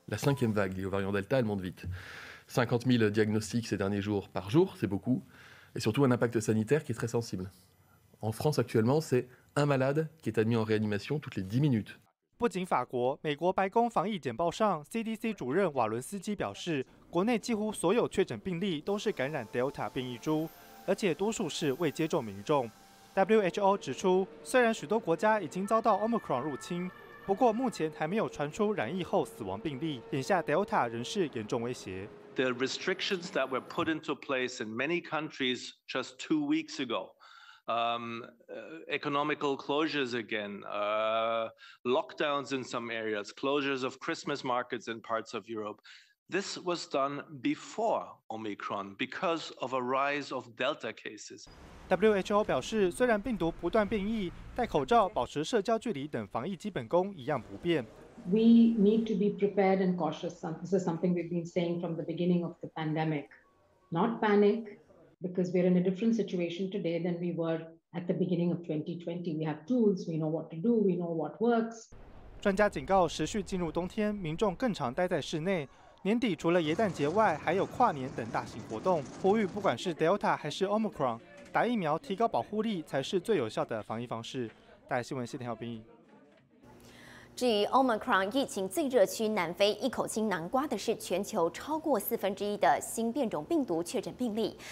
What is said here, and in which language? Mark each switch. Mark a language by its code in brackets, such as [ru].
[fr] La cinquième vague liée au variant Delta elle monte vite. 50 000 diagnostics ces derniers jours par jour, c'est beaucoup, et surtout un impact sanitaire qui est très sensible. En France actuellement, c'est un malade qui est admis en réanimation toutes les 10 minutes. [zh] 不仅法国，美国白宫防疫简报上 CDC 主任瓦伦斯基表示，国内几乎所有确诊病例都是感染 Delta 变异株，而且多数是未接种民众。 WHO 指出，虽然许多国家已经遭到 Omicron 入侵，不过目前还没有传出染疫后死亡病例，眼下 Delta 仍是严重威胁。 [en] The restrictions that were put into place in many countries just 2 weeks agoeconomical closures again, lockdowns in some areas, closures of Christmas markets in parts of Europe. This was done before Omicron because of a rise of Delta cases. [zh] WHO 表示，虽然病毒不断变异，戴口罩、保持社交距离等防疫基本功一样不变。 [en] We need to be prepared and cautious. This is something we've been saying from the beginning of the pandemic. Not panic. Because we're in a different situation today than we were at the beginning of 2020. We have tools, we know what to do, we know what works. [zh] 专家警告，持续进入冬天，民众更常待在室内。年底除了耶诞节外，还有跨年等大型活动，呼吁不管是 Delta 还是 Omicron， 打疫苗提高保护力才是最有效的防疫方式。大新闻，谢天浩编译。至于 Omicron 疫情最热区南非，一口气南瓜的是全球超过四分之一的新变种病毒确诊病例。